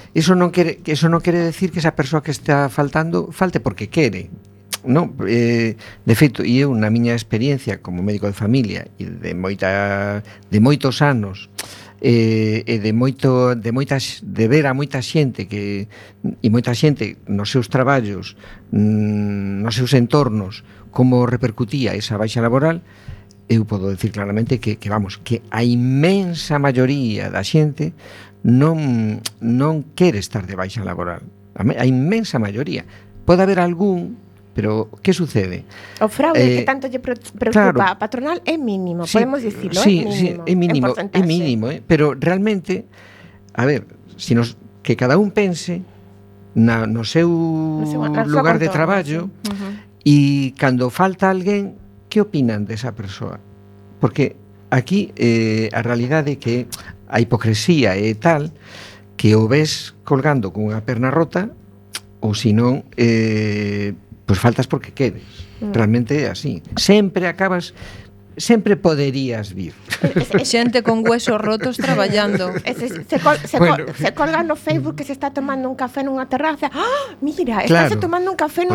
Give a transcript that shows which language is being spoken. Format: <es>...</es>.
<gl>Eso non quere decir que esa persoa que está faltando falte porque quere. No, de feito, eu na miña experiencia como médico de familia e de moitos anos de ver a moita xente que e moita xente nos seus traballos, nos seus entornos, como repercutía esa baixa laboral, eu podo decir claramente que a imensa maioría da xente non quere estar de baixa laboral. A inmensa maioría. Pode haber algún. Pero, que sucede? O fraude que tanto lle preocupa, claro, a patronal é mínimo, sí, podemos dicilo, sí, é mínimo. Sí, é mínimo, en pero realmente, a ver, que cada un pense no seu lugar de traballo, sí. Uh-huh. Y cando falta alguén, que opinan desa persoa? Porque aquí a realidade é que a hipocresía é tal que o ves colgando con unha perna rota, ou senón...</gl> <es>pues faltas porque quieres.</es> <gl>Realmente é así. Sempre acabas, sempre poderías vir. Xente con huesos rotos traballando. Se colga no Facebook que se está tomando un café nunha terraza. ¡Oh, mira, claro, estás tomando un café nunha</gl>